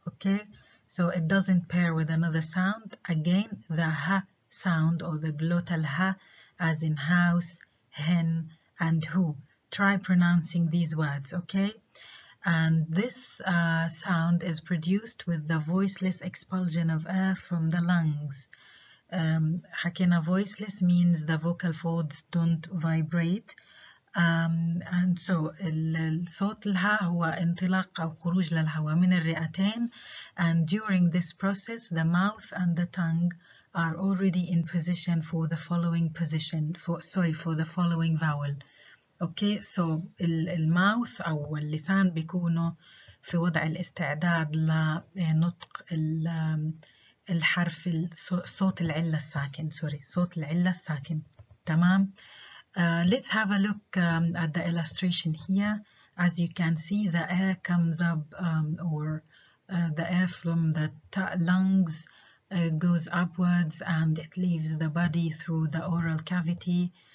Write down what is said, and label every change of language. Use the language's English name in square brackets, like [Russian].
[English] Okay, so it doesn't pair with another sound. Again, the ha sound or the glottal ha, as in house, hen, and who. Try pronouncing these words, okay? And this sound is produced with the voiceless expulsion of air from the lungs. حكينا voiceless means the vocal folds don't vibrate. [Arabic] And so الصوت الهاء هو انطلاق أو خروج للهواء من الرئتين. [English] And during this process, the mouth and the tongue are already in position for the following position, for the following vowel. [Arabic] Okay, so المouth أو اللسان بيكونوا في وضع الاستعداد لنطق الحرف صوت العلة الساكن. Sorry, صوت العلة الساكن. تمام. [English] Let's have a look at the illustration here. As you can see, the air comes up, the air from the lungs goes upwards and it leaves the body through the oral cavity.